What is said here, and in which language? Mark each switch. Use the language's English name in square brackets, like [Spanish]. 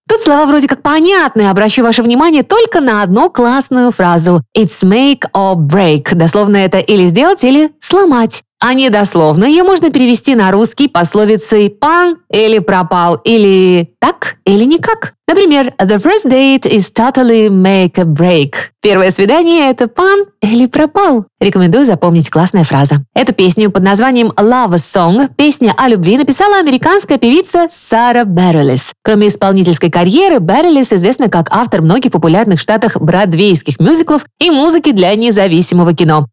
[Russian] Тут слова вроде как понятные, обращу ваше внимание только на одну классную фразу. [English] It's make or break. [Russian] Дословно это или сделать, или сломать. А недословно ее можно перевести на русский пословицей «пан» или «пропал», или «так», или «никак». Например, [English] «the first date is totally make a break». [Russian] Первое свидание – это «пан» или «пропал». Рекомендую запомнить, классная фраза. Эту песню под названием «Love Song» – песня о любви – написала американская певица Сара Берилис. Кроме исполнительской карьеры, Берилис известна как автор многих популярных в Штатах бродвейских мюзиклов и музыки для независимого кино.